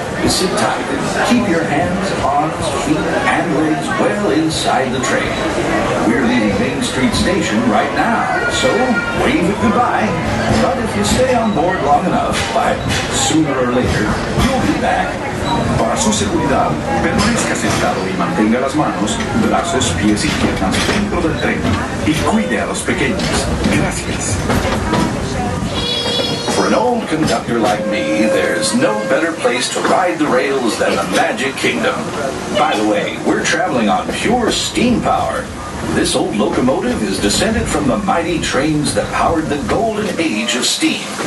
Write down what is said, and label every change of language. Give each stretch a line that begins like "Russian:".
English: Sit tight and keep your hands, arms, feet, and legs well inside the train. We're leaving Main Street Station right now, so wave it goodbye. But if you stay on board long enough, by sooner or later, you'll be back.
Spanish: Para su seguridad, permanezca sentado y mantenga las manos, brazos, pies y piernas dentro del tren. Y cuide a los pequeños. Gracias.
English: For an old conductor like me, there's no better place to ride the rails than the Magic Kingdom. By the way, we're traveling on pure steam power. This old locomotive is descended from the mighty trains that powered the golden age of steam.